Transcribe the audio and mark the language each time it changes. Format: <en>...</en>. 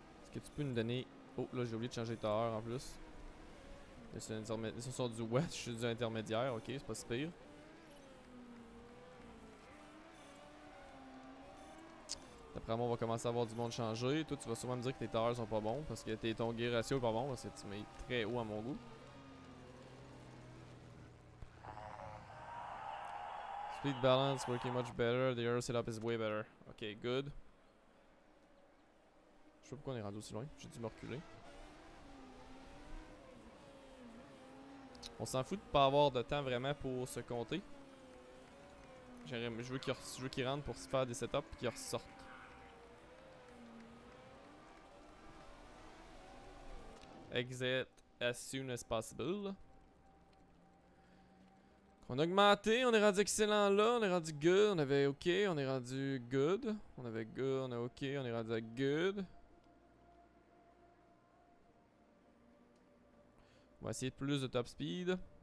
<fr>Est-ce que tu peux nous donner... Oh là, j'ai oublié de changer ta heure en plus. Ce sont du west, je suis du intermédiaire, ok, c'est pas si pire. D'après moi, on va commencer à avoir du monde changer. Toi, tu vas sûrement me dire que tes heures sont pas bons parce que ton gear ratio est pas bon parce que tu mets très haut à mon goût.</fr> <en>Speed balance working much better, the air setup is way better. Ok, good.</en> <fr>Je sais pas pourquoi on est rendu aussi loin, j'ai dû me reculer. On s'en fout de pas avoir de temps vraiment pour se compter. Je veux qu'il rentre pour se faire des setups et qu'il ressorte.</fr> <en>Exit as soon as possible.</en> <fr>On a augmenté, on est rendu excellent là, on est rendu good, on avait ok, on est rendu good, on avait good, on est ok, on est rendu good. On va essayer de plus de top speed.</fr>